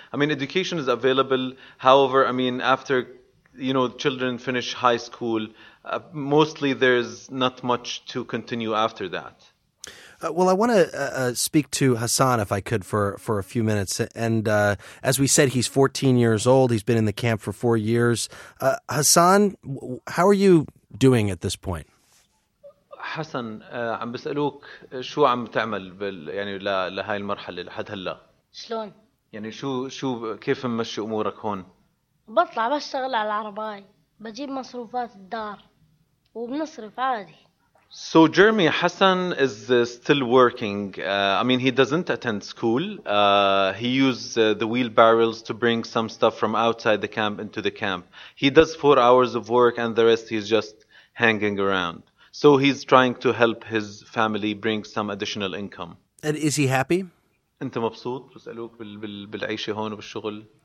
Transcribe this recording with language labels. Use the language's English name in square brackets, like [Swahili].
[English] I mean, education is available. However, I mean, after, you know, children finish high school, mostly there's not much to continue after that. Well, I want to speak to Hassan, if I could, for a few minutes. And as we said, he's 14 years old. He's been in the camp for 4 years. Hassan, how are you doing at this point? [Arabic] حسن عم بسألوك شو عم تعمل بال يعني لهاي المرحلة لحد هلا شلون يعني شو كيف ممشي أمورك هون بطلع بشتغل على العرباي بجيب مصروفات الدار وبنصرف عادي. [English] So Jeremy, Hassan is still working. I mean, he doesn't attend school. He uses the wheelbarrows to bring some stuff from outside the camp into the camp. He does 4 hours of work and the rest he's just hanging around. So he's trying to help his family bring some additional income. And is he happy? [Arabic] أنت مبسوط بسألوك بالعيشة هون وبالشغل؟